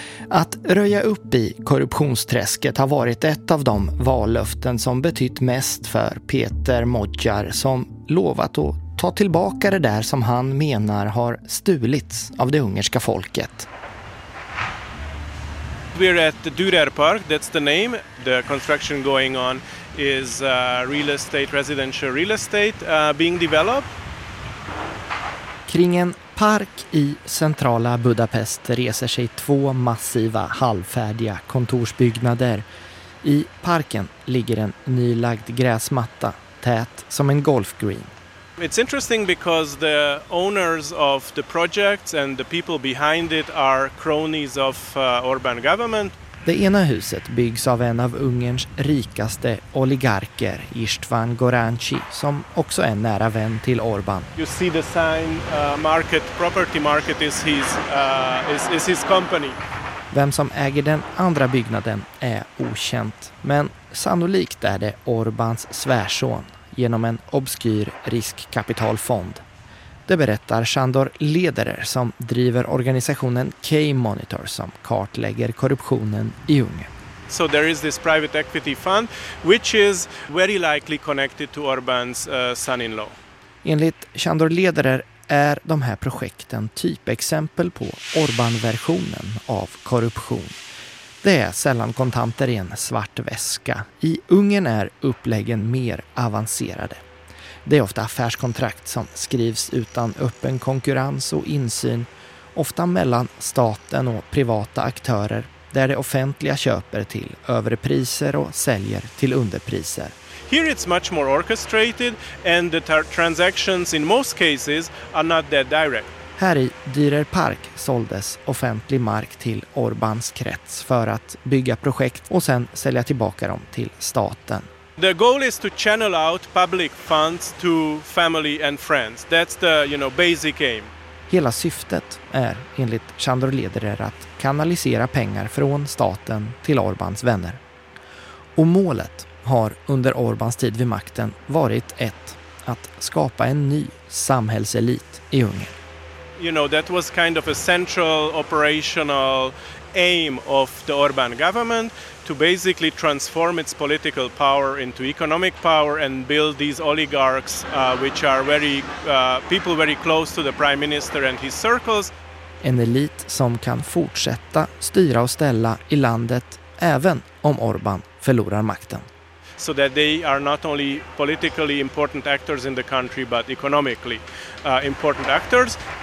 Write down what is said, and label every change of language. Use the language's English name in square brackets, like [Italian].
[Swedish] Att röja upp i korruptionsträsket har varit ett av de vallöften som betytt mest för Peter Modjar som lovat att ta tillbaka det där som han menar har stulits av det ungerska folket. [English] We're at Duder Park, that's the name. The construction going on is real estate, residential real estate being developed. [Swedish] Kring en park i centrala Budapest reser sig två massiva halvfärdiga kontorsbyggnader. I parken ligger en nylagd gräsmatta, tät som en golfgreen. [English] It's interesting because the owners of the projects and the people behind it are cronies of Orbán government. [Swedish] Det ena huset byggs av en av Ungerns rikaste oligarker, István Goráncsi, som också är nära vän till Orbán. [English] You see the sign, market, property market is his company. [Swedish] Vem som äger den andra byggnaden är okänt, men sannolikt är det Orbáns svärson genom en obskyr riskkapitalfond. Det berättar Sándor Lederer som driver organisationen K-Monitor som kartlägger korruptionen i Ungern. [English] So there is this private equity fund which is very likely connected to Orbán's son-in-law. [Swedish] Enligt Sándor Lederer är de här projekten typexempel på Orbán-versionen av korruption. Det är sällan kontanter i en svart väska. I Ungern är uppläggen mer avancerade. Det är ofta affärskontrakt som skrivs utan öppen konkurrens och insyn, ofta mellan staten och privata aktörer, där det offentliga köper till överpriser och säljer till underpriser. [English] Here it's much more orchestrated and the transactions in most cases are not that direct. [Swedish] Här i Dürer Park såldes offentlig mark till Orbáns krets för att bygga projekt och sen sälja tillbaka dem till staten. [English] The goal is to channel out public funds to family and friends. That's the, you know, basic aim. [Swedish] Hela syftet är, enligt Sándor Lederer, att kanalisera pengar från staten till Orbáns vänner. Och målet har under Orbáns tid vid makten varit ett, att skapa en ny samhällselit i Ungern. [English] You know, that was kind of a central operational aim of the Orbán government, to basically transform its political power into economic power and build these oligarchs which are very people very close to the prime minister and his circles. [Swedish] En elit som kan fortsätta styra och ställa i landet även om Orbán förlorar makten. [English] So that they are not only politically important actors in the country but economically important actors.